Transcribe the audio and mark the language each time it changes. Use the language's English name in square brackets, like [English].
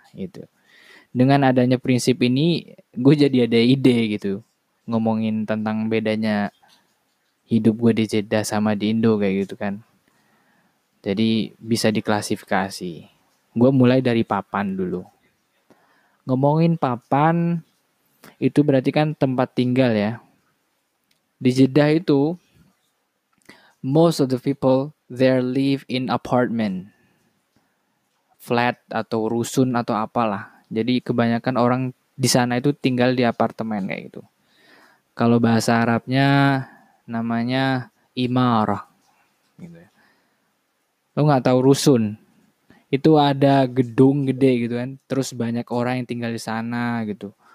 [Indonesian] Gitu. Dengan adanya prinsip ini, gue jadi ada ide gitu, ngomongin tentang bedanya hidup gue di Jeddah sama di Indo kayak gitu kan. Jadi bisa diklasifikasi. Gue mulai dari papan dulu. Ngomongin papan, itu berarti kan tempat tinggal ya. Di Jeddah itu, [English] most of the people, they live in apartment. [Indonesian] Flat atau rusun atau apalah. Jadi kebanyakan orang di sana itu tinggal di apartemen kayak gitu. Kalau bahasa Arabnya, namanya imarah. Lo gak tahu rusun. Itu ada gedung gede gitu kan, terus banyak orang yang tinggal di sana gitu.